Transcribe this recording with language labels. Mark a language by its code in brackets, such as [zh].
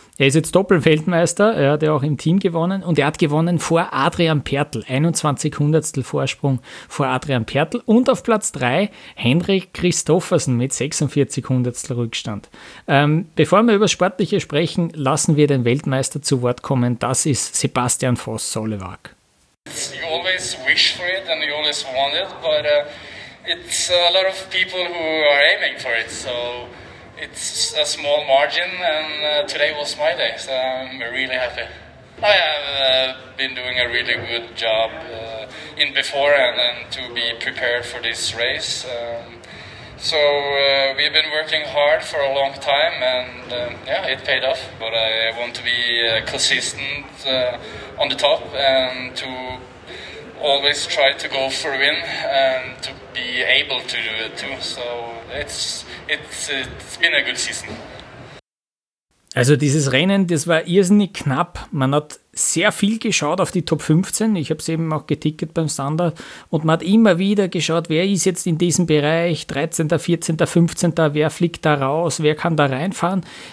[de] Er ist jetzt Doppelweltmeister, er hat ja auch im Team gewonnen und er hat gewonnen vor Adrian Pertl, 21 Hundertstel Vorsprung vor Adrian Pertl und auf Platz 3 Henrik Christoffersen mit 46 Hundertstel Rückstand. Bevor wir über Sportliche sprechen, lassen wir den Weltmeister zu Wort kommen, das ist Sebastian Voss-Sollewag. [en] You always wish for it and you always want it, but it's a lot of people who are aiming for it, so it's a small margin, and today was my day, so I'm really happy. I have been doing a really good job in before and to be prepared for this race. So we've been working hard for a long time, and it paid off. But I want to be consistent on the top and to always try to go for a win and to be able to do it too. So it's been a good season. [de] Also dieses Rennen, das war irrsinnig knapp. Man hat sehr viel geschaut auf die Top 15. Ich habe es eben auch getickert beim Standard. Und man hat immer wieder geschaut, wer ist jetzt in diesem Bereich, 13., 14., 15., wer fliegt da raus, wer kann da reinfahren.